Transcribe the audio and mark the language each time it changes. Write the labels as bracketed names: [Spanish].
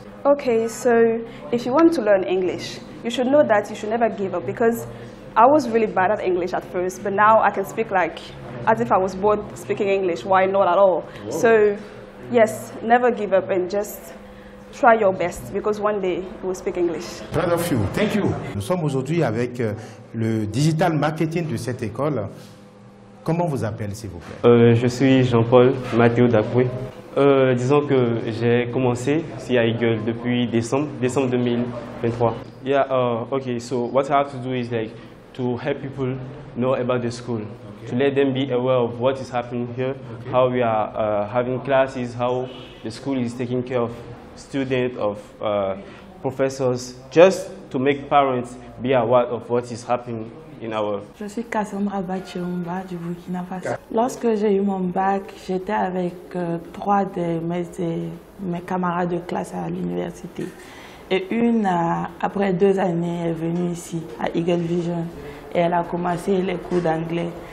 [English] Okay, so if you want to learn English, you should know that you should never give up because I was really bad at English at first, but now I can speak like as if I was born speaking English. Why not at all? Whoa. So, yes, never give up and just try your best because one day you will speak English. Proud of you. Thank you. [French] Nous sommes aujourd'hui avec le digital marketing de cette école. Comment vous appelez, s'il vous plaît? Je suis Jean-Paul Mathieu Dapoué. Disons que j'ai commencé CIA Eagle depuis décembre 2023. [English] Yeah, okay, so what I have to do is like to help people know about the school, to let them be aware of what is happening here, how we are having classes, how the school is taking care of students, of professors, just to make parents be aware of what is happening in our... [French] Je suis Cassandra Bachiumba du Burkina Faso. Lorsque j'ai eu mon bac, j'étais avec trois de mes camarades de classe à l'université. Et après deux années, elle est venue ici, à Eagle Vision, et elle a commencé les cours d'anglais.